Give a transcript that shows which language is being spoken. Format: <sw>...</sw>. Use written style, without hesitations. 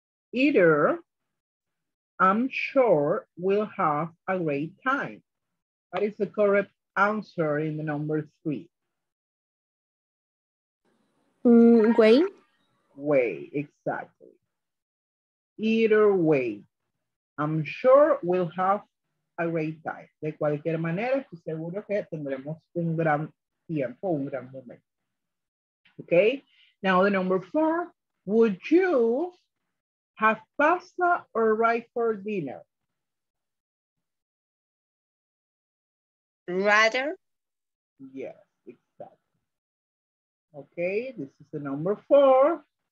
<en>Either I'm sure we'll have a great time. What is the correct answer in the number 3? Way. Way, exactly. Either way, I'm sure we'll have a great time.</en> <es>De cualquier manera, estoy seguro que tendremos un gran tiempo, un gran momento.</es> <en>Okay, now the number 4. Would you have pasta or rice for dinner? Rather. Yes, exactly. Okay, this is the number 4.</en>